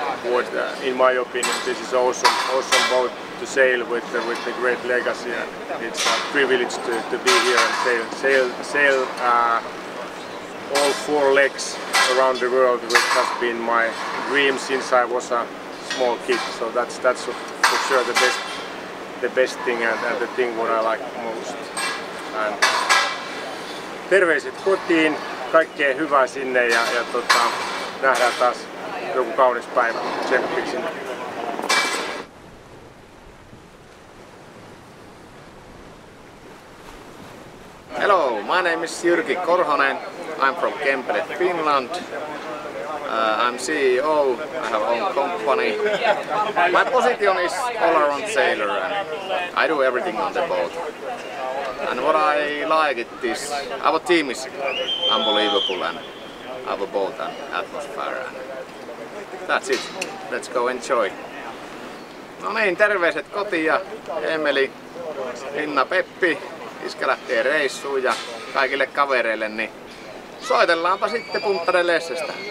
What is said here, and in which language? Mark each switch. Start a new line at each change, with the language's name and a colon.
English: what, in my opinion, this is awesome boat to sail with the great legacy, and it's a privilege to be here and sail all four legs around the world, which has been my dream since I was a small kid. So that's for sure the best thing and the thing what I like most.
Finnish: And terveiset kotiin, kaikkea hyvää sinne ja tota, nähdään taas joku kaunis päivä tsemppiksin.
English: Hello, my name is Jyrki Korhonen. I'm from Kempele, Finland. I'm CEO, I have own company. My position is all-around sailor and I do everything on the boat. And what I like it is our team is unbelievable and our boat and atmosphere. And that's it. Let's go enjoy.
Finnish: No niin, terveiset kotiin ja Emeli, Hinna, Peppi. Iskä lähtee reissuun ja kaikille kavereille, niin soitellaanpa sitten Punta del Estestä.